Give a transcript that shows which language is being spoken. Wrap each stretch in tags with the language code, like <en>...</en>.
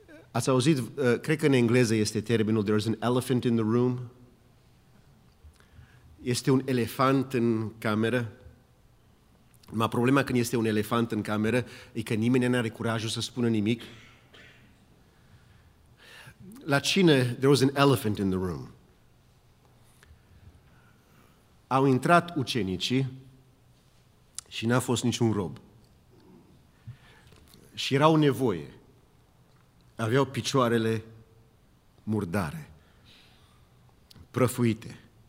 <ro>Ați auzit, cred că în engleză este termenul</ro> <en>there is an elephant in the room.</en> <ro>Este un elefant în cameră. Ma problema când este un elefant în cameră e că nimeni nu are curajul să spună nimic. La cină,</ro> <en>there was an elephant in the room.</en> <ro>Au intrat ucenicii și n-a fost niciun rob. Și erau nevoie. Aveau picioarele murdare, prăfuite.</ro>